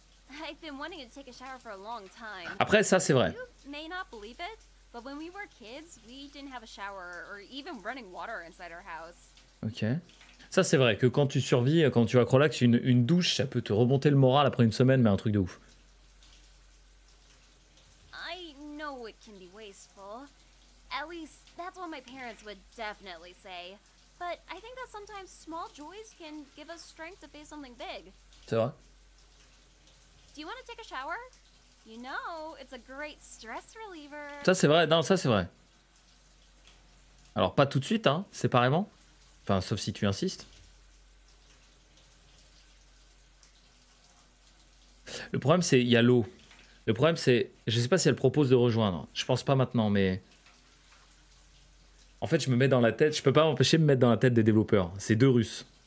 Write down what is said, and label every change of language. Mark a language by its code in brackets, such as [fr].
[en] I've been wanting to take a shower for a long time. [fr] Après, ça, c'est vrai. [en] You may not believe it. But when we were kids, we didn't have a shower or even running water inside our house. Ok. [fr] Ça, c'est vrai que quand tu survis, quand tu acrolaxes, une douche, ça peut te remonter le moral après une semaine, mais un truc de ouf. [en] I know it can be wasteful. At least, that's what my parents would definitely say. But I think that sometimes small joys can give us strength to face something big. [fr] C'est vrai. [en] Do you want to take a shower? You know, it's a great stress reliever. [fr] Ça c'est vrai, non, ça c'est vrai. Alors pas tout de suite, hein, séparément. Enfin, sauf si tu insistes. Le problème c'est, il y a l'eau. Le problème c'est, je sais pas si elle propose de rejoindre. Je pense pas maintenant, mais... En fait, je me mets dans la tête, je peux pas m'empêcher de me mettre dans la tête des développeurs. C'est deux Russes.